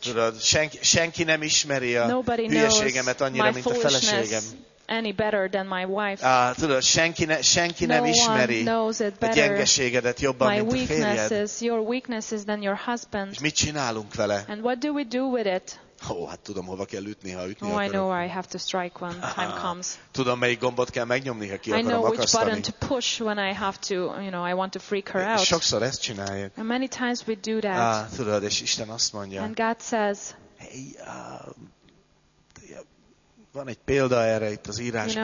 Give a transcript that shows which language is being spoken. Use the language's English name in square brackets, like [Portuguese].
[Hungarian] Tudod, senki nem ismeri a hülyeségemet annyira, mint a feleségem. [English] Any better than my wife. [Hungarian] Tudod, senki nem ismeri a gyengeségedet jobban, [English] my [Hungarian] mint a férjed. [English] Weaknesses, your weaknesses than your husband. [Hungarian] És mit csinálunk vele? [English] And what do we do with it? [Hungarian] Ó, hát tudom, hova kell ütni, ha ütni [English] oh, [Hungarian] akarok. [English] I know where I have to strike when time comes. [Hungarian] Tudom, melyik gombot kell megnyomni, ha ki akarom akasztani. [English] I know which button to push when I have to, you know, I want to freak her out. [Hungarian] Sokszor ezt csináljuk. [English] And many times we do that. [Hungarian] Tudod, és Isten azt mondja. [English] And God says, [Hungarian] hey, van egy példa erre itt az írásban.